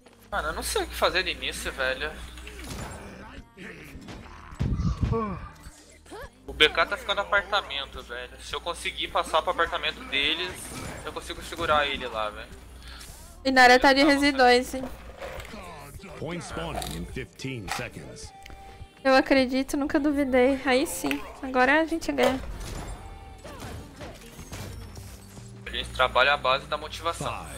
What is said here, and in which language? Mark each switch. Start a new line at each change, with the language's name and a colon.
Portuguese: Mano, eu não sei o que fazer de início, velho. O BK tá ficando apartamento, velho. Se eu conseguir passar pro apartamento deles, eu consigo segurar ele lá, velho. E na área tá de Residões, hein.
English: Point spawning in 15 seconds.
Portuguese: Eu acredito, nunca duvidei. Aí sim, agora a gente ganha. A gente trabalha a base da motivação.